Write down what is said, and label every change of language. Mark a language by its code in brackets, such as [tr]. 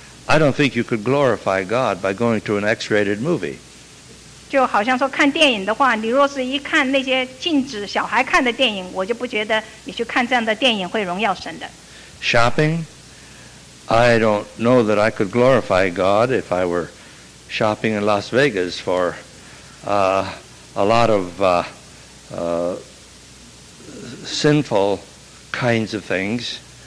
[en] I don't think you could glorify God by going to an X-rated movie. [zh] 就好像说看电影的话，你若是一看那些禁止小孩看的电影，我就不觉得你去看这样的电影会荣耀神的。 [en] Shopping, I don't know that I could glorify God if I were shopping in Las Vegas for a lot of sinful kinds of things.